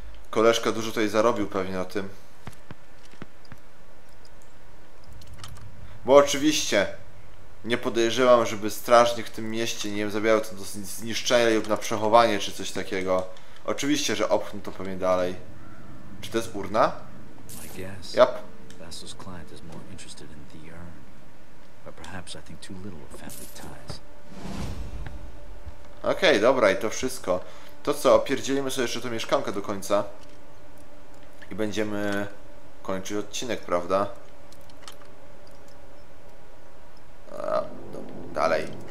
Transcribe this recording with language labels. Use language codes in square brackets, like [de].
[pl] Koleżka dużo tutaj zarobił pewnie na tym. Bo oczywiście nie podejrzewam, żeby strażnik w tym mieście, nie wiem, zabierał to do zniszczenia lub na przechowanie czy coś takiego. Oczywiście, że opchnął to pewnie dalej. Czy to jest urna? Jap. [en] Vassal's client is more interested in the urn. But perhaps I think too little of family ties. [pl] Okej, dobra, i to wszystko. To co, opierdzielimy sobie jeszcze tą mieszkankę do końca i będziemy kończyć odcinek, prawda? A, no, dalej.